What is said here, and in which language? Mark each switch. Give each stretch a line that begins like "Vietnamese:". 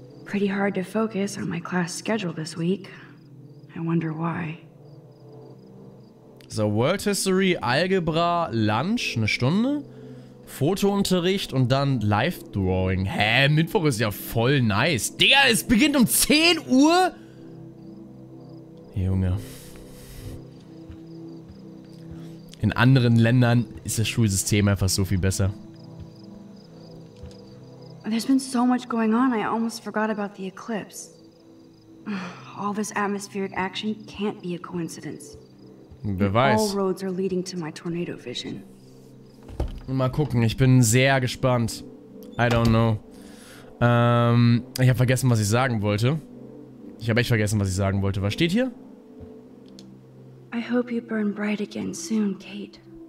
English: Pretty hard to focus on my class schedule this week. I wonder why.
German: So, World History, Algebra, Lunch, eine Stunde. Fotounterricht und dann Live-Drawing. Hä, Mittwoch ist ja voll nice. Digga, es beginnt um 10 Uhr? Junge. In anderen Ländern ist das Schulsystem einfach so viel besser.
English: There's been so much going on, I almost forgot about the eclipse. All this atmospheric action can't be a coincidence.
German: Wer weiß.
English: All roads are leading to my tornado vision.
German: Mal gucken, ich bin sehr gespannt.
English: I don't know.
German: Ich habe vergessen, was ich sagen wollte. Ich habe echt vergessen, was ich sagen wollte. Was steht hier?
English: I hope you burn bright again soon, Kate.